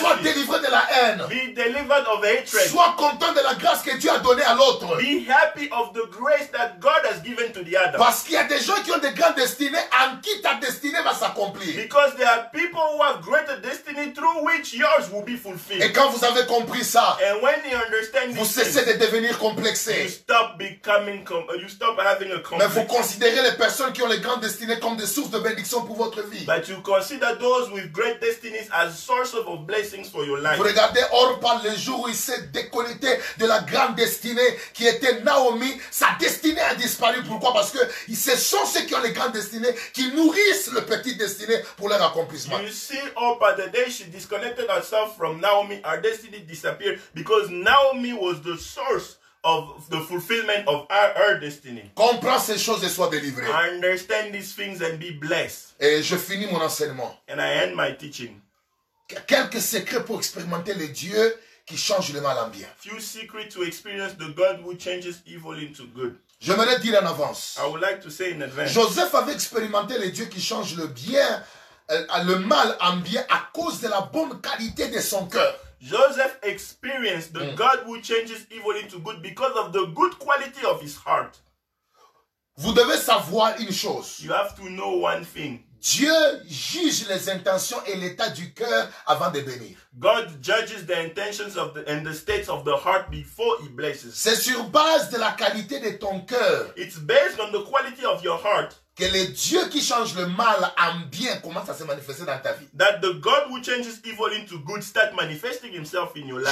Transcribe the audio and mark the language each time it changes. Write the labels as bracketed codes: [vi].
[fr] Sois délivré de la haine. [en] Be delivered of hatred. [fr] Sois content de la grâce que Dieu a donnée à l'autre. [en] Be happy of the grace that God has given to the other. [fr] Parce qu'il y a des gens qui ont des grandes destinées en qui ta destinée va s'accomplir. [en] Because there are people who have greater destiny through which yours will be fulfilled. [fr] Et quand vous avez compris ça. [en] And when you understand [fr] vous cessez de devenir complexé. [en] You stop having a complex. [fr] Mais vous considérez les personnes qui ont les grandes destinées comme des sources de bénédiction pour votre vie. [en] But you consider those with great destinies as sources of blessings for your life. [fr] Vous regardez Orpah le jour où il s'est déconnecté de la grande destinée qui était Naomi. Sa destinée a disparu. Pourquoi? Parce que ce sont ceux qui ont les grandes destinées qui nourrissent le petit destiné pour leur accomplissement. [en] You see Orpah the day she disconnected herself from Naomi, her destiny disappeared because Naomi was the source of the fulfillment of her destiny. [fr] Comprends ces choses et sois délivré. [en] Understand these things and be blessed. [fr] Et je finis mon enseignement. [en] And I end my teaching. [fr] Quelques secrets pour expérimenter le Dieu qui change le mal en bien. [en] Few secrets to experience the God who changes evil into good. [fr] J'aimerais dire en avance. [en] I would like to say in advance. [fr] Joseph avait expérimenté le Dieu qui change le mal en bien à cause de la bonne qualité de son cœur. [en] Joseph experienced the God who changes evil into good because of the good quality of his heart. [fr] Vous devez savoir une chose. [en] You have to know one thing. [fr] Dieu juge les intentions et l'état du cœur avant de bénir. [en] God judges the intentions of the and the states of the heart before he blesses. [fr] C'est sur base de la qualité de ton cœur. [en] It's based on the quality of your heart. [fr] Que le Dieu qui change le mal en bien commence à se manifester dans ta vie. [en] That the God who changes evil into good start manifesting himself in your life.